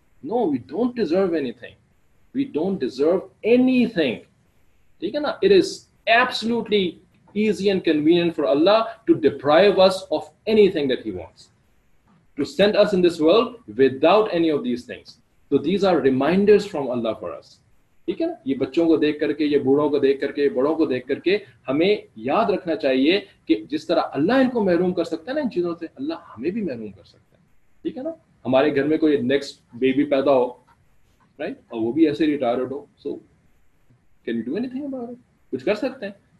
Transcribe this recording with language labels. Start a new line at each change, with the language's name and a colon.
English: no, we don't deserve anything, we don't deserve anything,
Urdu: ٹھیک ہے نا.
English: It is absolutely easy and convenient for Allah to deprive us of anything that he wants, to send us in this world without any of these things. So these are reminders from Allah for us.
Urdu: ٹھیک ہے نا, یہ بچوں کو دیکھ کر کے, یہ بوڑھوں کو دیکھ کر کے, بڑوں کو دیکھ کر کے ہمیں یاد رکھنا چاہیے کہ جس طرح اللہ ان کو محروم کر سکتا ہے نا ان چیزوں سے, اللہ ہمیں بھی محروم کر سکتا ہے, ٹھیک ہے نا. ہمارے گھر میں کوئی نیکسٹ بیبی پیدا ہو, رائٹ, اور وہ بھی ایسے retired ہو,
English: so can you do anything about,
Urdu: کچھ کر سکتے ہیں.